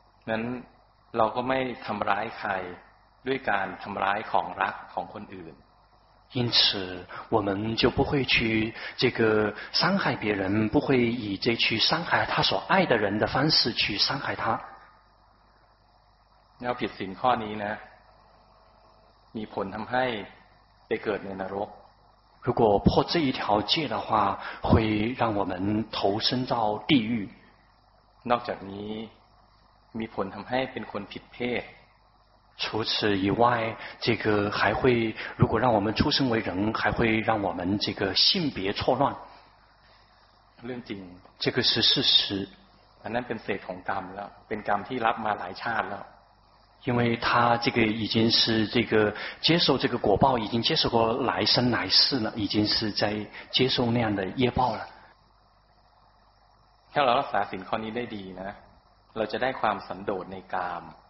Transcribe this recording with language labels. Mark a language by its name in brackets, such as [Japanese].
[Thai] นั้นเราก็ไม่ทำร้ายใครด้วยการทำร้ายของรักของคนอื่น [Chinese] 因此我们就不会去这个伤害别人，不会以这去伤害他所爱的人的方式去伤害他。你要撇行 [Thai] ข้อนี้นะมีผลทำให้ไปเกิดในนรก。 [Chinese] 如果破这一条戒的话，会让我们投身到地狱。 [Thai] นอกจากนี้มีผลทำให้เป็นคนผิดเพศ。 [Chinese] 除此以外，这个还会，如果让我们出生为人，还会让我们这个性别错乱。 [Thai] เรื่องจริง。 [Chinese] 这个是事实。 [Thai] อันนั้นเป็นเศษของกรรมแล้วเป็นกรรมที่รับมาหลายชาติแล้ว。 [Chinese] 因为他这个已经是这个接受这个果报，已经接受过来生来世了，已经是在接受那样的业报了。 [Thai] ถ้าเรารักษาศีลข้อนี้ได้ดีนะเราจะได้ความสันโดษในกาม。